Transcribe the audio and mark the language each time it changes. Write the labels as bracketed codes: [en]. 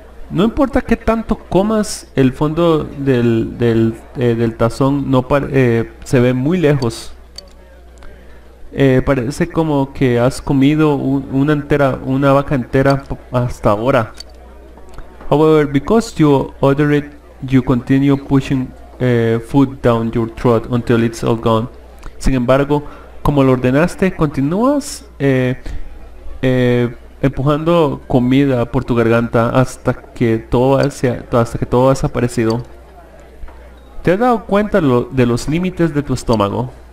[es] No importa qué tanto comas, el fondo del tazón no se ve muy lejos. Parece como que has comido una vaca entera hasta ahora. [en] However, because you order it, you continue pushing food down your throat until it's all gone. [es] Sin embargo, como lo ordenaste, continúas empujando comida por tu garganta hasta que todo ha desaparecido. ¿Te has dado cuenta de los límites de tu estómago?